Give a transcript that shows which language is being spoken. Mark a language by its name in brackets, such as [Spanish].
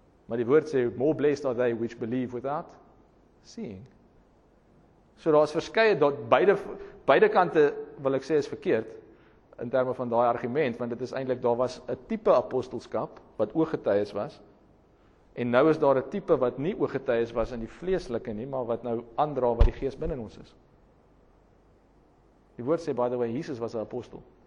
[Afrikaans] Maar die woord sê, [English] more blessed are they which believe without seeing. [Afrikaans] So daar is verskeie, beide kante wil ek sê is verkeerd, in terme van daai argument, want dit is eintlik daar was 'n tipe apostelskap wat ooggetuies was, en nou is daar 'n tipe wat nie ooggetuies was in die vleeslike nie, maar wat nou aandra wat die Gees binne in ons is. Die woord sê, [English] by the way, [Afrikaans] Jesus was 'n apostel.